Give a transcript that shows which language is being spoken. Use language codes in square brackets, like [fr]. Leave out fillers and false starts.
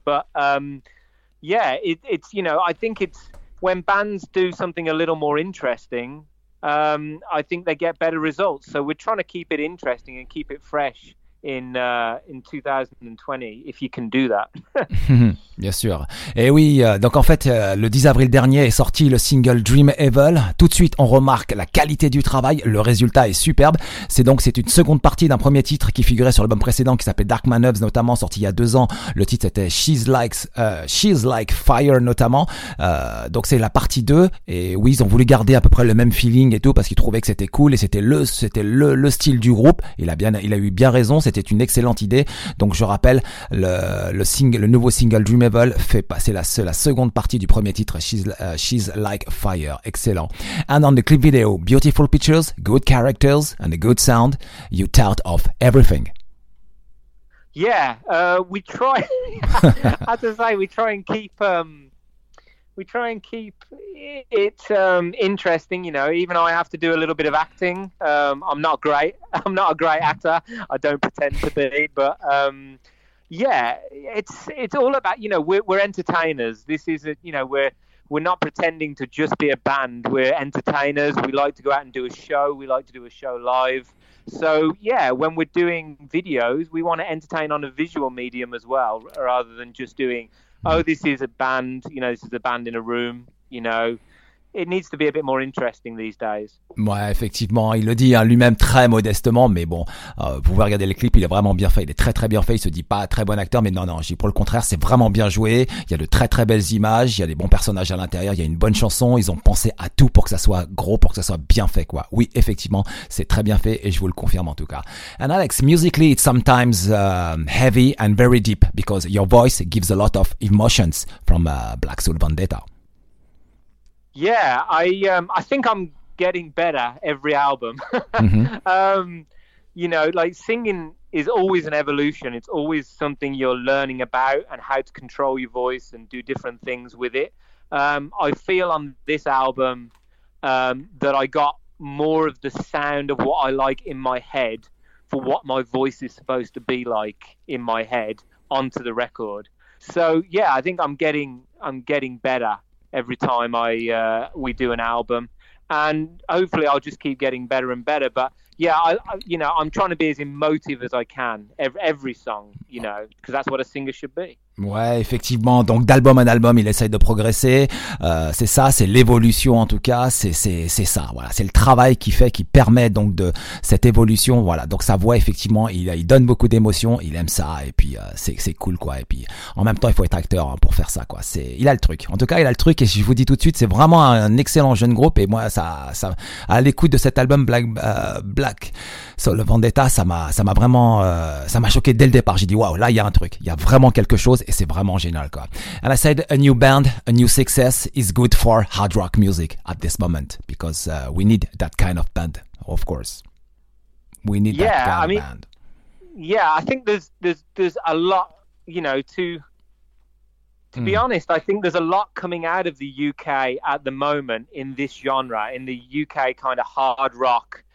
[en] But yeah, it's, you know, I think it's when bands do something a little more interesting, I think they get better results. So we're trying to keep it interesting and keep it fresh in 2020, if you can do that. [fr] Bien sûr. Et oui, donc en fait, le 10 avril dernier est sorti le single Dream Evil. Tout de suite, on remarque la qualité du travail. Le résultat est superbe. C'est une seconde partie d'un premier titre qui figurait sur l'album précédent qui s'appelait Dark Manoeuvres, notamment sorti il y a 2 ans. Le titre était She's Like Fire, notamment. Donc c'est la partie 2. Et oui, ils ont voulu garder à peu près le même feeling et tout parce qu'ils trouvaient que c'était cool et c'était le style du groupe. Il a eu bien raison. C'était une excellente idée. Donc je rappelle, le nouveau single Dream Evil fait passer la seconde partie du premier titre, She's Like Fire. Excellent. [en] And on the clip video, beautiful pictures, good characters and a good sound, you tout of everything. Yeah, we try as I say, we try and keep it interesting, you know. Even I have to do a little bit of acting. I'm not a great actor. I don't pretend to be, but yeah, it's all about, you know, we're entertainers. This is we're not pretending to just be a band. We're entertainers. We like to go out and do a show. We like to do a show live. So yeah, when we're doing videos, we want to entertain on a visual medium as well, rather than just doing, oh, this is a band, you know, this is a band in a room, you know. It needs to be a bit more interesting these days. [fr] Ouais, effectivement, il le dit hein, lui-même très modestement, mais bon, vous pouvez regarder le clip, il est vraiment bien fait, il est très très bien fait, il se dit pas très bon acteur, mais non, je dis pour le contraire, c'est vraiment bien joué, il y a de très très belles images, il y a des bons personnages à l'intérieur, il y a une bonne chanson, ils ont pensé à tout pour que ça soit gros, pour que ça soit bien fait, quoi. Oui, effectivement, c'est très bien fait, et je vous le confirme en tout cas. [en] And Alex, musically, it's sometimes heavy and very deep, because your voice gives a lot of emotions from Black Soul Vendetta. Yeah, I think I'm getting better every album. Mm-hmm. You know, like singing is always an evolution. It's always something you're learning about and how to control your voice and do different things with it. I feel on this album that I got more of the sound of what I like in my head for what my voice is supposed to be like in my head onto the record. So, yeah, I think I'm getting better every time we do an album, and hopefully I'll just keep getting better and better. But yeah, I'm trying to be as emotive as I can every song, you know, because that's what a singer should be. [fr] Ouais, effectivement. Donc, d'album en album, il essaye de progresser. C'est ça, c'est l'évolution en tout cas. C'est ça. Voilà, c'est le travail qui fait, qui permet donc de cette évolution. Voilà. Donc, sa voix, effectivement, il donne beaucoup d'émotions. Il aime ça. Et puis, c'est cool, quoi. Et puis, en même temps, il faut être acteur hein, pour faire ça, quoi. Il a le truc. En tout cas, il a le truc. Et je vous dis tout de suite, c'est vraiment un excellent jeune groupe. Et moi, ça à l'écoute de cet album Black Soul Vendetta, ça m'a vraiment, ça m'a choqué dès le départ. J'ai dit, waouh, là, il y a un truc. Il y a vraiment quelque chose. Et c'est vraiment génial, quoi. [en] And I said, a new band, a new success is good for hard rock music at this moment because we need that kind of band, of course. We need that kind of band. Yeah, I think there's a lot, you know, to be honest, I think there's a lot coming out of the UK at the moment in this genre, in the UK kind of hard rock.